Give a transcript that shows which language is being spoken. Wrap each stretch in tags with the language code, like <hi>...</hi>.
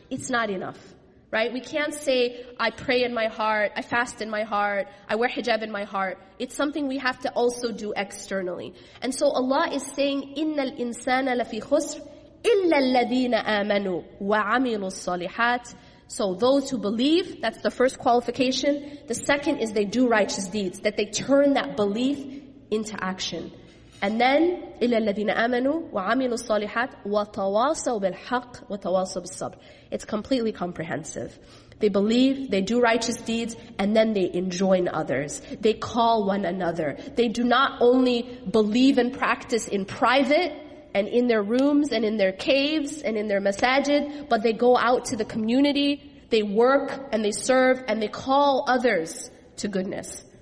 <en>It's not enough, right? We can't say, I pray in my heart, I fast in my heart, I wear hijab in my heart. It's something we have to also do externally. And so Allah is saying,</en> <ar>إِنَّ الْإِنسَانَ لَفِي خُسْرٍ إِلَّا الَّذِينَ آمَنُوا وَعَمِلُوا الصَّالِحَاتِ.</ar> <en>So those who believe, that's the first qualification. The second is they do righteous deeds, that they turn that belief into action. And then,</en> <ar>إِلَّا الَّذِينَ آمَنُوا وَعَمِلُوا الصَّالِحَاتِ وَتَوَاصَوْا بِالْحَقِّ وَتَوَاصَوْا بِالصَّبْرِ.</ar> <en>It's completely comprehensive. They believe, they do righteous deeds, and then they enjoin others. They call one another. They do not only believe and practice in private, and in their rooms, and in their caves, and in their masajid, but they go out to the community, they work, and they serve, and they call others to goodness.</en>